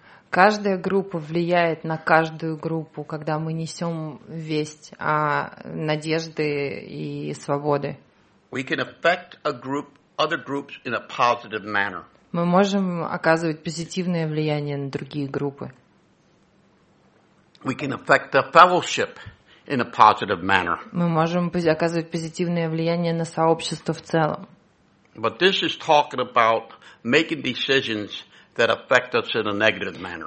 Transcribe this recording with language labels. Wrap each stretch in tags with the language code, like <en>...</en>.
<ru>Каждая группа влияет на каждую группу, когда мы несем весть о надежде и свободе.</ru> <en>We can affect a group, other groups in a positive manner.</en> <ru>Мы можем оказывать позитивное влияние на другие группы.</ru> <en>We can affect the fellowship in a positive manner.</en> <ru>Мы можем оказывать позитивное влияние на сообщество в целом.</ru> <en>But this is talking about making decisions that affect us in a negative manner.</en>